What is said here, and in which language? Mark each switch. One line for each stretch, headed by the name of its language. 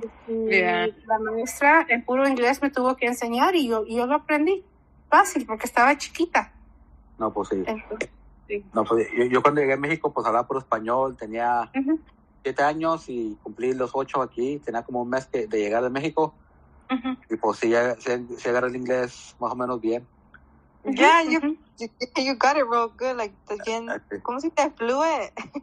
Spanish: Yeah. La maestra en puro inglés me tuvo que enseñar y yo lo aprendí fácil porque estaba chiquita. No, pues sí. Entonces, sí. No, pues, yo cuando llegué a México, pues hablaba puro español. Tenía 7 años y cumplí los 8 aquí. Tenía como un mes de llegar a México. Y pues sí, se agarra el inglés más o menos bien.
English: Yeah, you got it real good. Like, again,
Spanish: ¿cómo se te fluye?